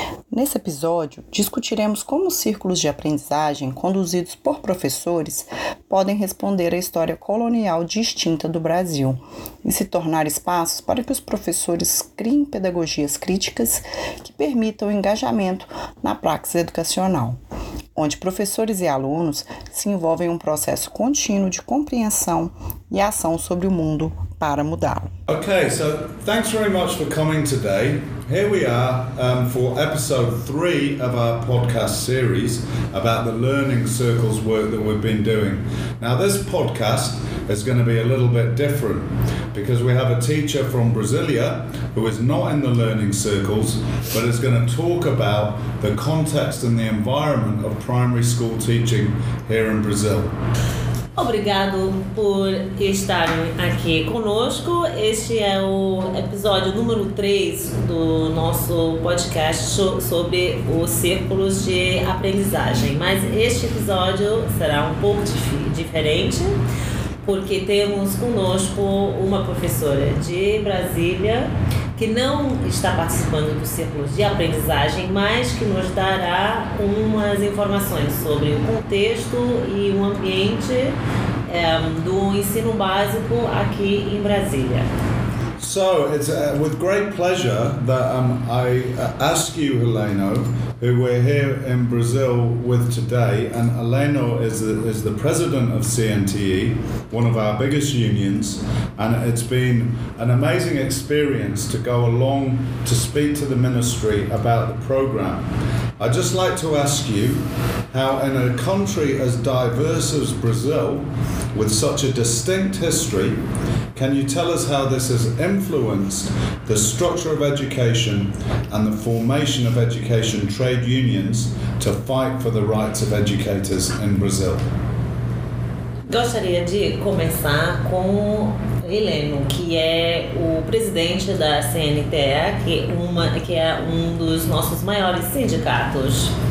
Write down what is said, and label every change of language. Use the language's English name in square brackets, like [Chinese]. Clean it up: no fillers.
[Portuguese] Nesse episódio, discutiremos como círculos de aprendizagem conduzidos por professores podem responder à história colonial distinta do Brasil e se tornar espaços para que os professores criem pedagogias críticas que permitam o engajamento na prática educacional, onde professores e alunos se envolvem em um processo contínuo de compreensão e ação sobre o mundo para mudá-lo. [English] Ok, so thanks very much for coming today. Here we are for episode 3 of our podcast series about the Learning Circles work that we've been doing. Now, this podcast is going to be a little bit different because we have a teacher from Brasilia who is not in the Learning Circles, but is going to talk about the context and the environment of primary school teaching here in Brazil. [Portuguese] Obrigado por estarem aqui conosco. Este é o episódio número 3 do nosso podcast sobre os círculos de aprendizagem. Mas este episódio será um pouco diferente, porque temos conosco uma professora de Brasília que não está participando dos círculos de aprendizagem, mas que nos dará umas informações sobre o contexto e o ambiente do ensino básico aqui em Brasília. [English] So, it's with great pleasure that I ask you, Heleno, who we're here in Brazil with today, and Heleno is the president of CNTE, one of our biggest unions, and it's been an amazing experience to go along to speak to the ministry about the program. I'd just like to ask you how, in a country as diverse as Brazil, with such a distinct history, can you tell us how this has influenced the structure of education and the formation of education trade unions to fight for the rights of educators in Brazil? [Portuguese] Gostaria de começar com Heleno, que é o presidente da CNTE, que é um dos nossos maiores sindicatos.